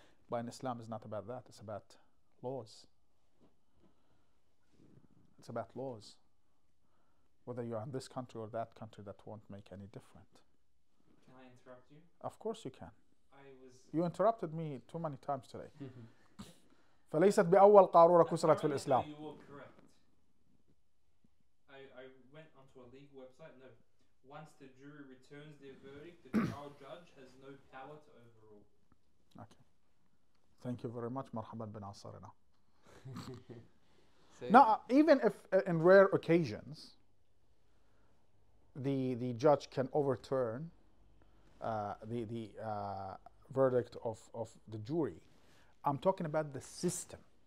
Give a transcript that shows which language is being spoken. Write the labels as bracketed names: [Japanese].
[English] But in Islam, it's not about that. It's about laws. It's about laws. Whether you're in this country or that country, that won't make any difference. Can I interrupt you? Of course you can. I was. You interrupted me too many times today. [Arabic] فليست بأول قارورة كسرت في الإسلام. [English] You were correct. I went onto a league website. No. Once the jury returns their verdict, the trial judge has no power to overrule. Okay. Thank you very much, Marhaban bin Asarina. Now, even if in rare occasions the judge can overturn the verdict of the jury, I'm talking about the system.